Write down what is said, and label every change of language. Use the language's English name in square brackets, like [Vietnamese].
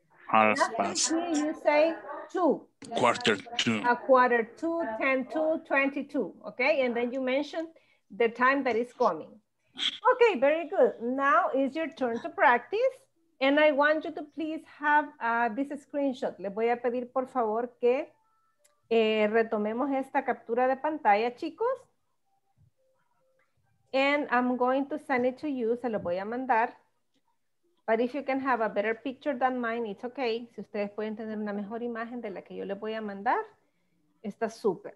[English] Here you say 10:40, 22. Okay, and then you mention the time that is coming. Okay, very good. Now is your turn to practice. And I want you to please have this screenshot. [Spanish] Les voy a pedir, por favor, que retomemos esta captura de pantalla, chicos. [English] And I'm going to send it to you. [Spanish] Se lo voy a mandar. [English] But if you can have a better picture than mine, it's okay. [Spanish] Si ustedes pueden tener una mejor imagen de la que yo les voy a mandar, está súper.